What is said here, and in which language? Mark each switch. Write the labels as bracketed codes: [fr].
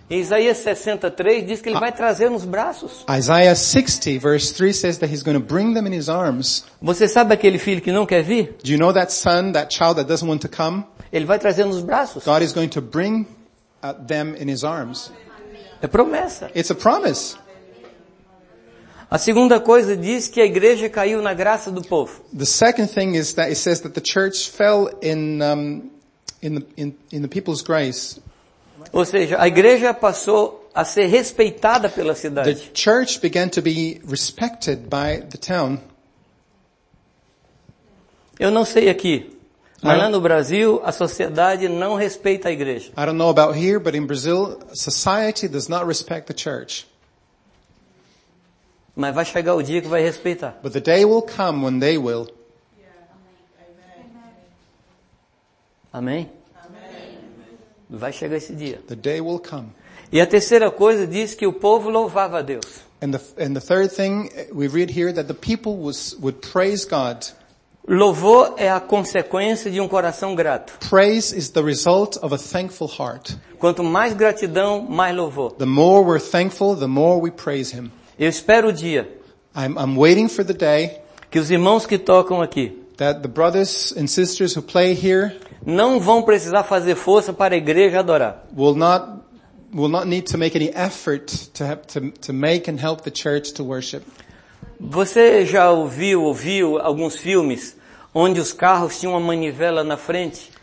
[pt] Isaías 63 diz que ele vai trazer nos braços. [en] Isaiah 60 verse 3 says that he's going to bring them in his arms. [pt] Você sabe aquele filho que não quer vir? [en] Do you know that son, that child that doesn't want to come? [pt] Ele vai trazer nos braços. [en] God is going to bring them in his arms. [pt] É promessa. [en] It's a promise. [pt] A segunda coisa diz que a igreja caiu na graça do povo. [en] The second thing is that it says that the church fell in the people's grace. [pt] Ou seja, a igreja passou a ser respeitada pela cidade. [en] The church began to be respected by the town. [pt] Eu não sei aqui, mas lá no Brasil a sociedade não respeita a igreja. [en] I don't know about here, but in Brazil society does not respect the church. [pt] Mas vai chegar o dia que vai respeitar. [en] But the day will come when they will. [pt] Amém? Amém. Vai chegar esse dia. [en] The day will come. [pt] E a terceira coisa diz que o povo louvava a Deus. [en] And the third thing we read here that the people would praise God. [pt] Louvor é a consequência de um coração grato. [en] Praise is the result of a thankful heart. [pt] Quanto mais gratidão, mais louvor. [en] The more we're thankful, the more we praise him. [pt] Eu espero o dia. [en] I'm waiting for the day. [pt] Que os irmãos que tocam aqui. [en] That the brothers and sisters who play here. [pt] Não vão precisar fazer força para a igreja adorar. [en] Will not need to make any effort to make and help the church to worship. [pt] Você já ouviu alguns filmes onde os carros tinham uma manivela na frente?